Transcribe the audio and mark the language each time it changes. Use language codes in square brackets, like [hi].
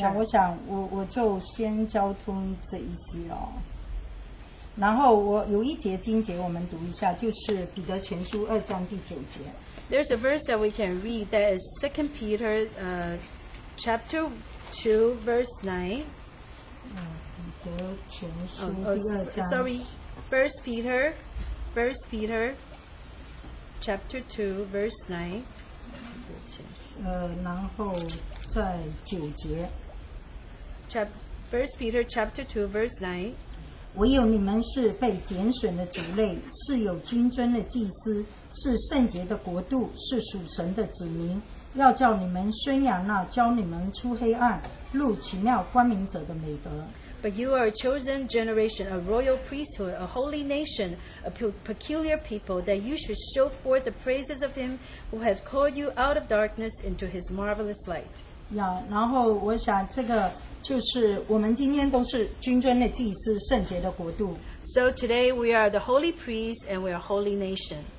[zh] Yeah, 我想我就先交通这一些哦。然后我有一节经节我们读一下，就是彼得前书二章第九节。 [en] There's a verse that we can read that is 2 Peter chapter 2 verse 9. [zh] 彼得前书第二章。 [en] Sorry, 1 Peter chapter 2 verse 9 [zh] 然后在九节 [en] 1 Peter chapter 2 verse 9 [zh] 唯有你们是被拣选的族类 是有君尊的祭司 是圣洁的国度 是属神的子民 要叫你们宣扬那教你们出黑暗 入奇妙光明者的美德 [en] But you are a chosen generation, a royal priesthood, a holy nation, a peculiar people, that you should show forth the praises of him who has called you out of darkness into his marvelous light. [zh] Yeah, 然后我想这个就是我们今天都是君尊的祭司，圣洁的国度。 [en] So today we are the holy priest and we are a holy nation.